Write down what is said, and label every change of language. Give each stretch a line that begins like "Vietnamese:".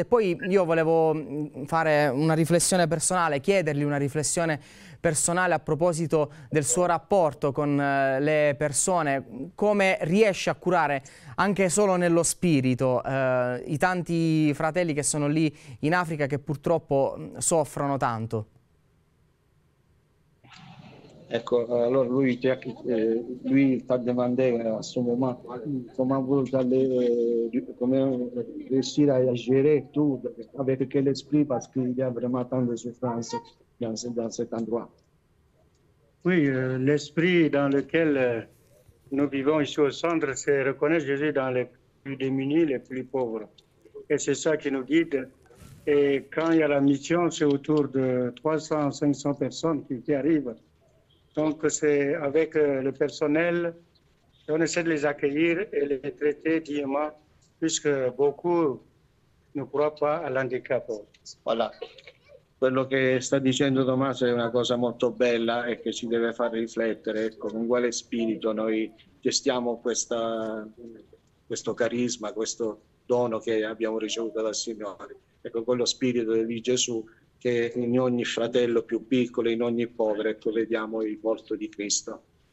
Italian: E poi io volevo fare una riflessione personale, chiedergli una riflessione personale a proposito del suo rapporto con le persone, come riesce a curare anche solo nello spirito i tanti fratelli che sono lì in Africa, che purtroppo soffrono tanto. Ecco, allora lui fa domande, insomma, come riuscire a
French: gérer tutto, avec quel esprit, parce qu'il y a vraiment tant de souffrance dans cet endroit. Oui, l'esprit dans lequel nous vivons ici au centre, c'est reconnaître Jésus dans les plus démunis, les plus pauvres. Et c'est ça qui nous guide. Et quand il y a la mission, c'est autour de 300-500 personnes qui arrivent. Donc, c'est avec le personnel, on essaie de les accueillir et les traiter dignement, puisque beaucoup ne croient pas à l'handicap.
Italian: Voilà, quello che sta dicendo Tommaso è una cosa molto bella e che ci deve far riflettere. Ecco, con quale spirito noi gestiamo questo carisma, questo dono che abbiamo ricevuto dal Signore. Ecco, con lo spirito di Gesù che in ogni fratello più piccolo, in ogni povero, ecco, vediamo il volto di Cristo.